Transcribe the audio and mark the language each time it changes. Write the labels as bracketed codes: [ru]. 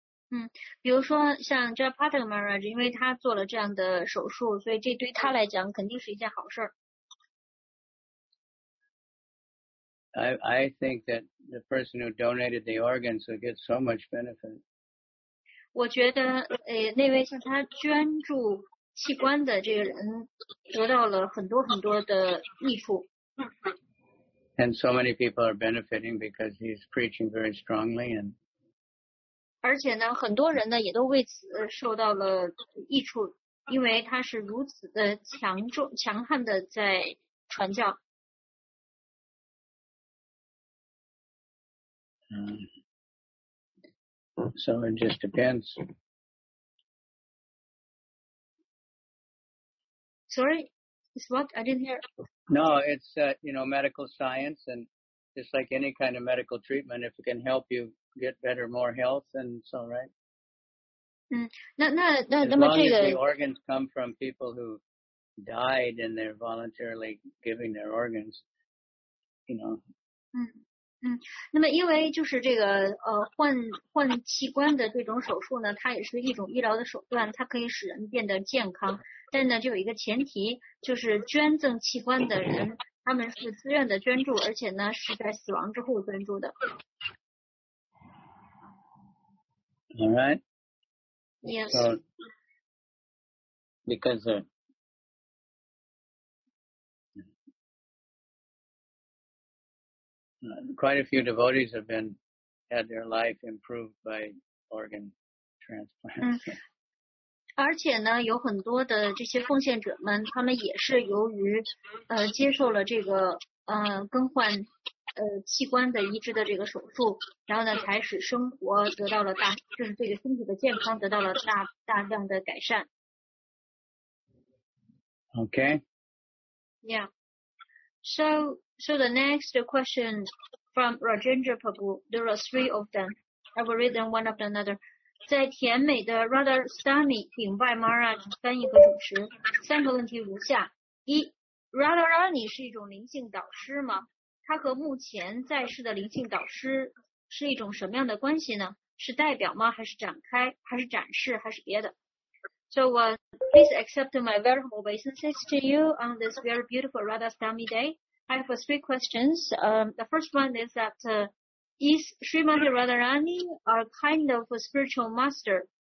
[zh] 嗯，比如说像 Jayapataka Maharaj， 因为他做了这样的手术，所以这对他来讲肯定是一件好事。 [en] I think that the person who donated the organs would get so much benefit. [zh] 我觉得，那位向他捐助。器官的这个人得到了很多很多的益处。 [en] And so many people are benefiting because he's preaching very strongly. And [zh] 而且呢，很多人呢也都为此受到了益处，因为他是如此的强悍的在传教。嗯。 [en] So it just depends. Sorry, it's what? I didn't hear. No, it's, you know, medical science, and just like any kind of medical treatment, if it can help you get better, more health, then it's all right. [zh] 嗯，那么这个。 [en] As long as the organs come from people who died and they're voluntarily giving their organs, you know. [zh] 嗯，那么因为就是这个换器官的这种手术呢，它也是一种医疗的手段，它可以使人变得健康。但呢，就有一个前提，就是捐赠器官的人，他们是自愿的捐助，而且呢是在死亡之后捐助的。 [en] All right. Yes. So, because quite a few devotees have been had their life improved by organ transplants. [zh] 而且呢，有很多的这些奉献者们，他们也是由于接受了这个更换器官的移植的这个手术，然后呢，才使生活得到了大，就是这个身体的健康得到了大量的改善。 [en] Okay. Yeah. So the next question from Rajendra Prabhu. There are three of them. I will read them one after another. [zh] 在甜美的 Radha Swami 顶拜 Maharaj 翻译和主持，三个问题如下：一 ，Radha Rani 是一种灵性导师吗？他和目前在世的灵性导师是一种什么样的关系呢？是代表吗？还是展开？还是展示？还是别的 [en] ？So please accept my very humble obeisances to you on this very beautiful Radha Swami Day. I have three questions. The first one is that. Is Srimati Radharani a kind of a spiritual master?